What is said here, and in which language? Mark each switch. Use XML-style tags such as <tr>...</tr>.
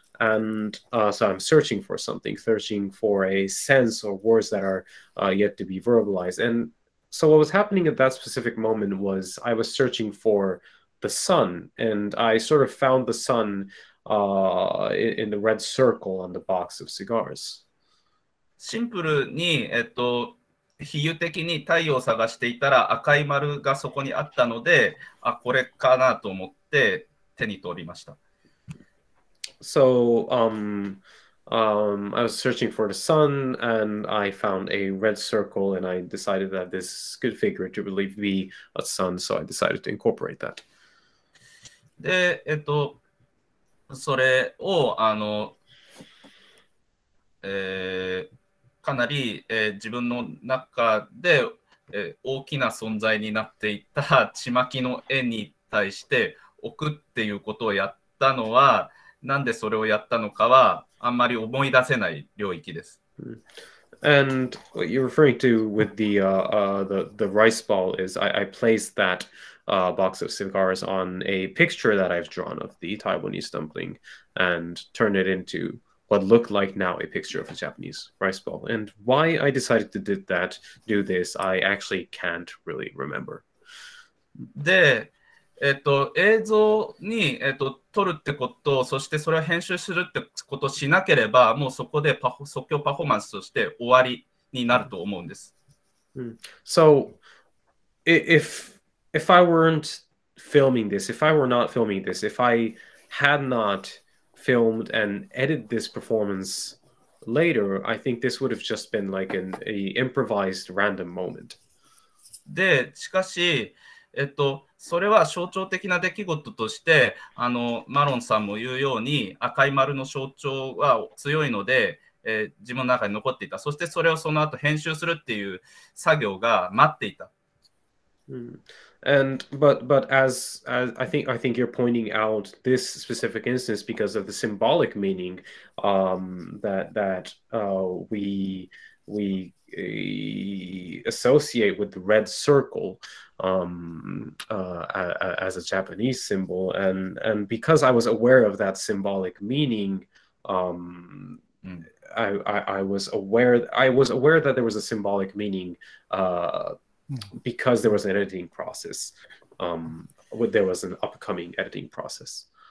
<en>And so I'm searching for something, searching for a sense or words that are yet to be verbalized. And so what was happening at that specific moment was I was searching for the sun, and I sort of found the sun in the red circle on the box of cigars.</en> <ja>シンプルに、比喩的に太陽を探していたら赤い丸がそこにあったので、あ、これかなと思って手に取りました。</ja> <en>So, I was searching for the sun and I found a red circle and I decided that this could figuratively be a sun, so I decided to incorporate that.</en> <ja>で、それをかなり、自分の中で、大きな存在になっていたちまきの絵に対して置くっていうことをやったのは、なんでそれをやったのかはあんまり思い出せない領域です。</ja> <en>And what you're referring to with the rice ball is I placed that box of cigars on a picture that I've drawn of the Taiwanese dumpling and turned it intowhat looked like now a picture of a Japanese rice ball. And why I decided to do this, I actually can't really remember.</en> <ja>で、映像に、撮るってこと、そしてそれを編集するってことしなければ、もうそこで即興パフォーマンスとして終わりになると思うんです。</ja> <en>So, if I weren't filming this, if I were not filming this, if I had notfilmed and edited this performance later, I think this would have just been like an improvised random moment.</en> <ja>で、しかし、それは象徴的な出来事として、マロンさんも言うように、赤い丸の象徴は強いので、自分の中に残っていた。そしてそれをその後編集するっていう作業が待っていた。うん。</ja> <en>And but as I think you're pointing out this specific instance because of the symbolic meaning that we associate with the red circle as a Japanese symbol, and because I was aware of that symbolic meaning, I was aware that there was a symbolic meaning because there was an editing process, there was an upcoming editing process.</en>